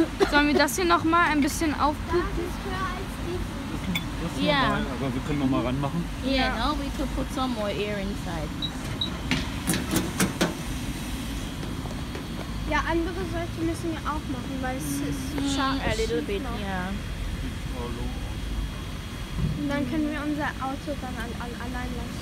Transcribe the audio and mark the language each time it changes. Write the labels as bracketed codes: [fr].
[de] Sollen wir das hier noch mal ein bisschen aufpumpen? Das ist höher als die. Yeah. Aber wir können noch mal ranmachen. [en] Yeah, now we could put some more air inside. [de] Ja, andere Seite müssen wir auch machen, weil es ist schon [en] a little bit, yeah. [de] Und dann können wir unser Auto dann allein lassen.